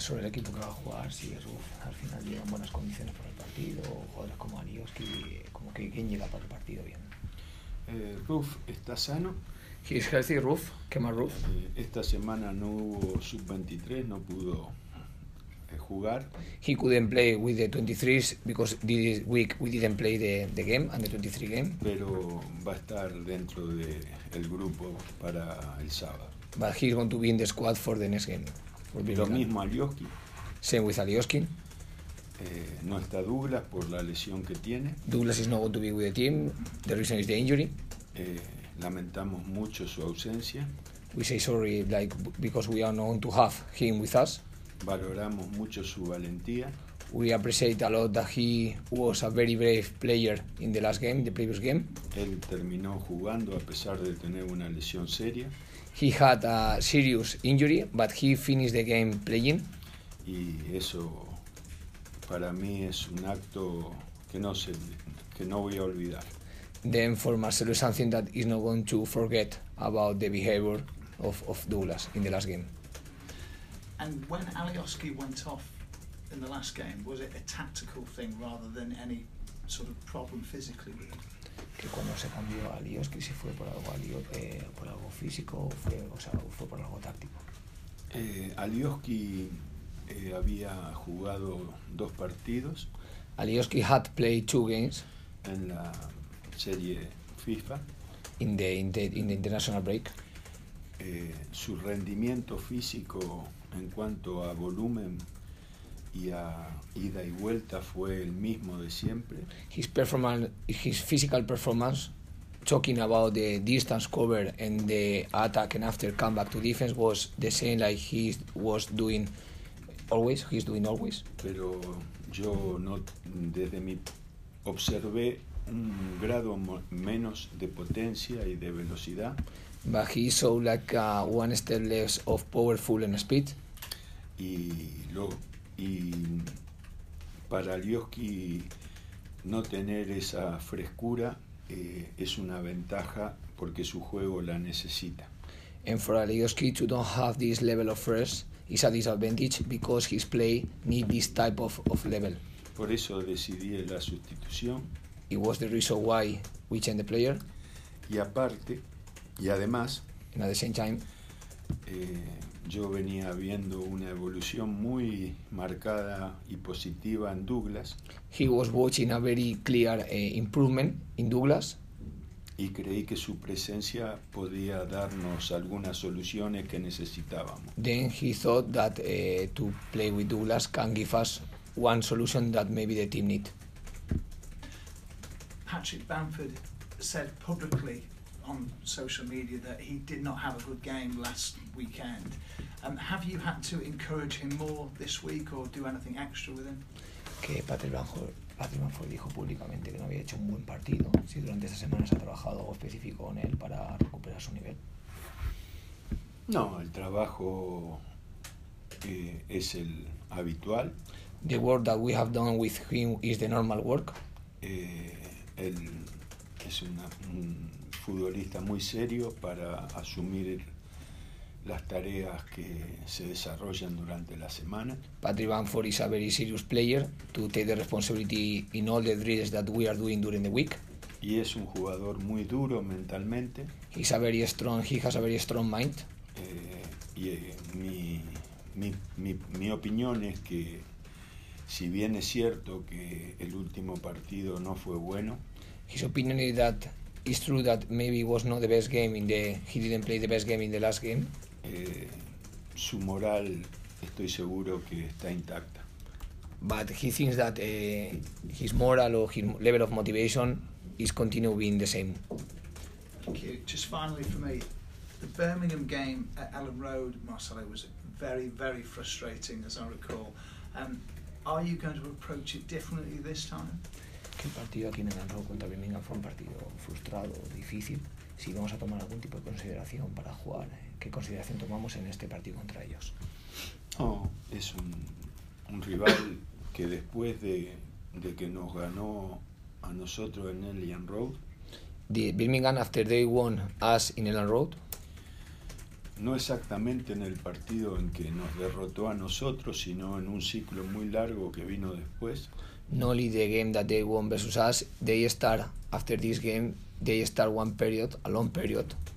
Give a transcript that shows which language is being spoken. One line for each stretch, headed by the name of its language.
Spanish: Sobre el equipo que va a jugar, si sí, al final llegan buenas condiciones para el partido, o jugadores como Alioski, como que quien llega para el partido bien. Roof está sano.
English: He's healthy, Roof. Kemar Roofe.
Spanish: Esta semana no hubo sub-23, no pudo jugar.
English: He couldn't play with the 23s because this week we didn't play the game and the 23 game.
Spanish: Pero va a estar dentro del grupo para el sábado.
English: But he's going to be in the squad for the next game.
Spanish: Lo mismo Alioski.
English: Same with Alioski.
Spanish: No está Douglas por la lesión que tiene.
English: Douglas is not going to be with the team. The reason is the injury.
Spanish: Lamentamos mucho su ausencia.
English: We say sorry, like, because we are not going to have him with us.
Spanish: Valoramos mucho su valentía.
English: We appreciate a lot that he was a very brave player in the last game, the previous game.
Spanish: Él terminó jugando a pesar de tener una lesión seria.
English: He had a serious injury, but he finished the game playing.
Spanish: Y eso para mí es un acto que no voy a olvidar.
English: Then for Marcelo is something that is not going to forget about the behavior of Douglas in the last game. And when Alioski went off in the last game, was it a tactical thing rather than any sort of problem physically with him?
Spanish: Que cuando se cambió a Alioski, si fue por algo físico, fue por algo táctico. Alioski había jugado dos partidos.
English: Alioski had played two games
Spanish: en la serie FIFA.
English: In the international break.
Spanish: Su rendimiento físico en cuanto a volumen y a ida y vuelta fue el mismo de siempre.
English: His physical performance, talking about the distance cover and the attack and after comeback to defense, was the same like he was doing always. He's doing always.
Spanish: Pero yo no, desde mi observé un grado menos de potencia y de velocidad.
English: But he saw like one step less of powerful and speed.
Spanish: Y para Alioski no tener esa frescura es una ventaja porque su juego la necesita.
English: And for Alioski to don't have this level of fresh is a disadvantage because his play need this type of level.
Spanish: Por eso decidí la sustitución.
English: It was the reason why we changed the player.
Spanish: Y aparte, y además,
English: and at the same time,
Spanish: yo venía viendo una evolución muy marcada y positiva en Douglas.
English: He was watching a very clear improvement in Douglas.
Spanish: Y creí que su presencia podía darnos algunas soluciones que necesitábamos.
English: Then he thought that to play with Douglas can give us one solution that maybe the team need. Patrick Bamford said publicly on social media that he did not have a good game last weekend. Have you had to encourage him more this week or do anything extra with him?
Spanish: Que Patrick Bamford dijo públicamente que no había hecho un buen partido. Si durante esta semana se ha trabajado algo específico con él para recuperar su nivel. No, el trabajo es el habitual.
English: The work that we have done with him is the normal work.
Spanish: Él es un futbolista muy serio para asumir las tareas que se desarrollan durante la semana.
English: Patrick Bamford is a very serious player to take the responsibility in all the drills that we are doing during the week.
Spanish: Y es un jugador muy duro mentalmente.
English: He's a very strong, he has a very strong mind.
Spanish: Mi opinión es que si bien es cierto que el último partido no fue bueno,
English: his opinion is that it's true that maybe it was not the best game he didn't play the best game in the last game.
Spanish: Su moral, estoy seguro que está intacta.
English: But he thinks that his moral or his level of motivation is continue being the same. Thank you. Just finally for me, the Birmingham game at Elland Road, Marcelo, was very, very frustrating, as I recall. Are you going to approach it differently this time?
Spanish: El partido aquí en el Anfield contra Birmingham fue un partido frustrado, difícil. Si vamos a tomar algún tipo de consideración para jugar, ¿qué consideración tomamos en este partido contra ellos? Oh, es un rival que después de que nos ganó a nosotros en Elland Road.
English: The Birmingham after they won us in Elland Road.
Spanish: No exactamente en el partido en que nos derrotó a nosotros, sino en un ciclo muy largo que vino después.
English: Not only the game that they won versus us, they start after this game, they start one period, a long period.